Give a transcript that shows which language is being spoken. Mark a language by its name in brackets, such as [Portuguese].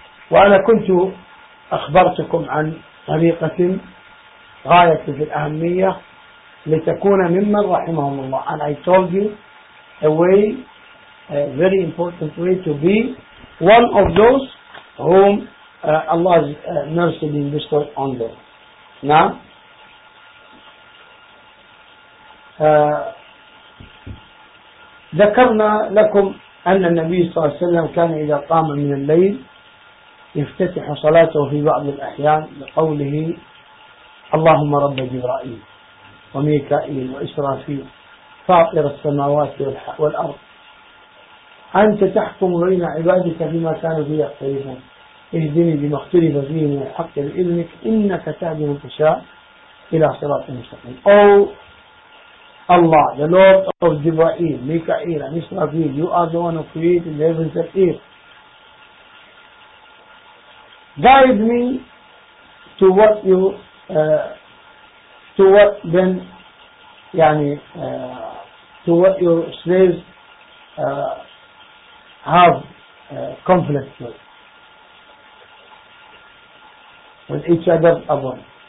[Arabic] وأنا كنت أخبرتكم عن طريقة غاية في الأهمية لتكون ممن رحمهم الله, [English] and I told you a way, a very important way to be one of those whom Allah has mercy and bestowed on them. [Arabic] Now, ذكرنا لكم أن النبي صلى الله عليه وسلم كان إذا قام من الليل يفتتح صلاته في بعض الأحيان بقوله اللهم رب جبرائيل وميكائيل وإسرافيل فاطر السماوات والأرض أنت تحكم بين عبادك بما كانوا فيه يختلفون اهدني بما اختلف فيه من الحق بإذنك إنك تهدي من تشاء إلى صراط مستقيم. [English] أو Allah, the Lord of Jibra'il, Mika'il, and Israfil, you are the one who created the heavens and earth. Guide me to what you, to what then, yani, to what your slaves have conflict with each other upon.